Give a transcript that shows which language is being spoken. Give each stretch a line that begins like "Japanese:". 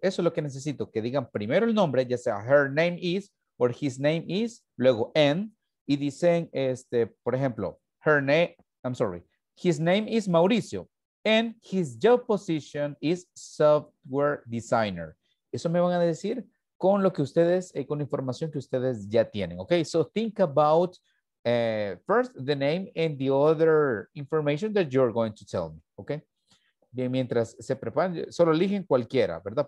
Spanish: Eso es lo que necesito, que digan primero el nombre, ya sea
English: her name is or his name is,
Spanish: luego and, y dicen, este, por ejemplo,
English: her name, I'm sorry, his name is Mauricio. And his job position is software designer.
Spanish: Eso me van a decir con lo que ustedes, con la información que ustedes ya tienen.
English: Okay, so think about first the name and the other information that you're going to tell me.
Spanish: Okay, bien, mientras se preparan, solo eligen cualquiera, ¿verdad?